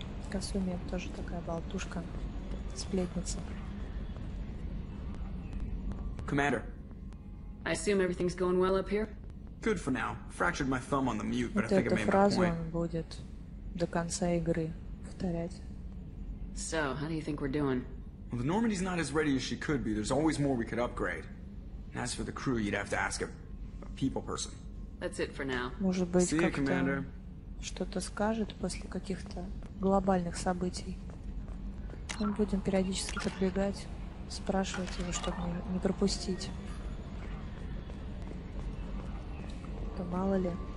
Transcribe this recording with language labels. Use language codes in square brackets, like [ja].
[ru] Касуми тоже такая болтушка, сплетница. [en] Commander. I assume everything's going well up here. Good for now. Fractured my thumb on the mute, but [ru] вот [en] I think I made my point. [ru] Вот эту фразу он будет до конца игры повторять. [en] So, how do you think we're doing? Well, the Normandy's not as ready as she could be. There's always more we could upgrade. As for the crew, you'd have to ask a people person. That's it for now. [ru] Может быть, как-то commander. Что-то скажет после каких-то глобальных событий. Мы будем периодически подбегать, спрашивать его, чтобы не пропустить. То мало ли.